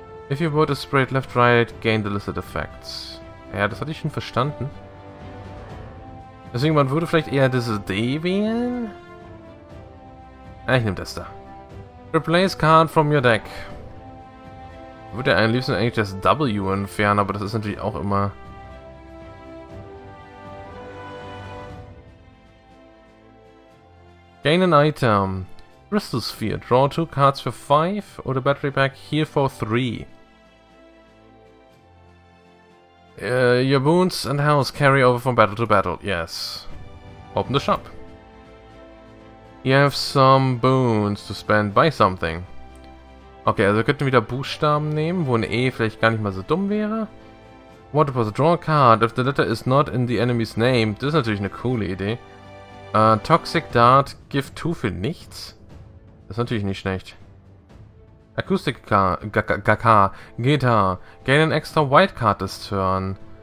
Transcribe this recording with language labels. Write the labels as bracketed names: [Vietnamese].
[English] If you board a spread left right, gain the listed effects. [German] Ja, das hatte ich schon verstanden. Deswegen, man würde vielleicht eher diese D wählen? Ich nehme das da. [English] Replace card from your deck. [German] Würde ja am liebsten eigentlich das W entfernen, aber das ist natürlich auch immer... [English] Gain an item. Crystal Sphere. Draw 2 cards for 5 oder Battery Pack. Heal for 3. Your boons and health carry over from battle to battle. Yes. Open the shop. You have some boons to spend. Buy something. [German] Okay, also wir könnten wieder Buchstaben nehmen, wo ein E vielleicht gar nicht mal so dumm wäre. [English] What about the draw card? If the letter is not in the enemy's name. [German] Das ist natürlich eine coole Idee. Toxic Dart. [English] Give 2 [German] für nichts. Das ist natürlich nicht schlecht. [English] Acoustic Guitar, gain an extra white card this turn.